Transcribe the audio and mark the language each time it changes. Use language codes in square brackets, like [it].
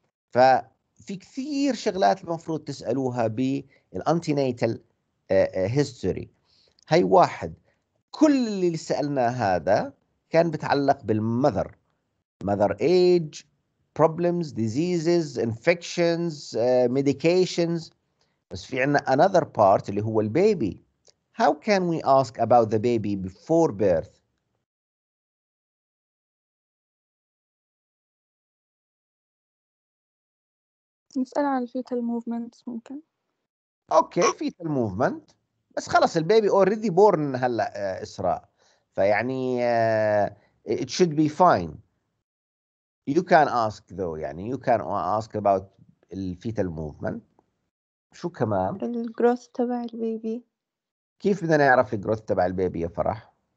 [ar] ففي كثير شغلات المفروض تسألوها بالantenatal history. هاي واحد. كل اللي سألناه هذا كان بتعلق بالمذر. [en] Mother age, problems, diseases, infections, medications. [ar] بس في عنا [en] another part [ar] اللي هو البيبي. [en] How can we ask about the baby before birth? [ar] نسأل عن fetal movements ممكن. أوكي fetal movement. بس خلاص البيبي [en] already born [ar] هلا إسراء. فيعني [en] it should be fine. You can ask though. [ar] يعني [en] you can ask about the fetal movement. [ar] شو كمان؟ الجروث تبع البيبي. كيف بدنا نعرف الجروث تبع البيبي يا فرح؟